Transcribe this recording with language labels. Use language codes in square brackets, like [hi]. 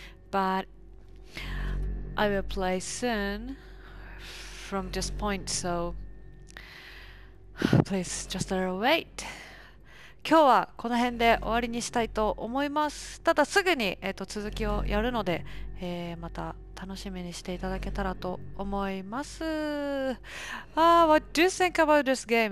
[en] But I will play soon from this point, so please just a little wait. [ja] 今日はこの辺で終わりにしたいと思います。ただすぐに、続きをやるので、また楽しみにしていただけたらと思います。 [en] Ah, what do you think about this game?